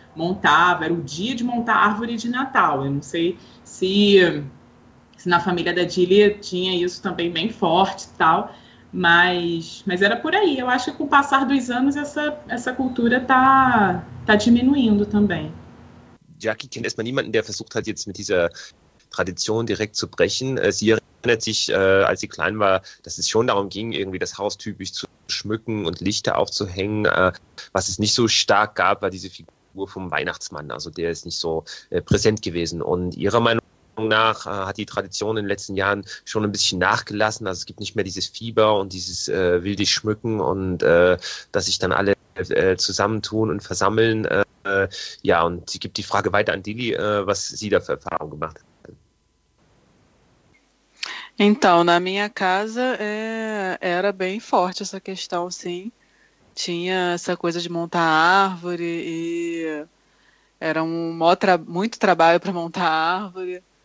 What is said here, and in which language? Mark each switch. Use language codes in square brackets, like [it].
[pt] Montava, era o dia de montar a árvore de Natal. Eu não sei se na família da Dília tinha isso também bem forte e tal, mas era por aí. Eu acho que com o passar dos anos essa cultura tá diminuindo também. [de] Jackie kennt erstmal niemanden, der versucht hat, jetzt mit dieser Tradition direkt zu brechen. Sie erinnert sich, als sie klein war, dass es schon darum ging, irgendwie das Haus typisch zu schmücken und Lichter aufzuhängen. Was es nicht so stark gab, war diese Figur vom Weihnachtsmann, also der ist nicht so präsent gewesen. Und ihrer Meinung nach hat die Tradition in den letzten Jahren schon ein bisschen nachgelassen. Also es gibt nicht mehr dieses Fieber und dieses wilde Schmücken und dass sich dann alle zusammentun und versammeln. Ja, und sie gibt die Frage weiter an Dili, was sie da für Erfahrungen gemacht hat. [pt] Então, na minha casa era bem forte essa questão, sim. Tinha essa coisa de montar árvore e era um muito trabalho para montar árvore.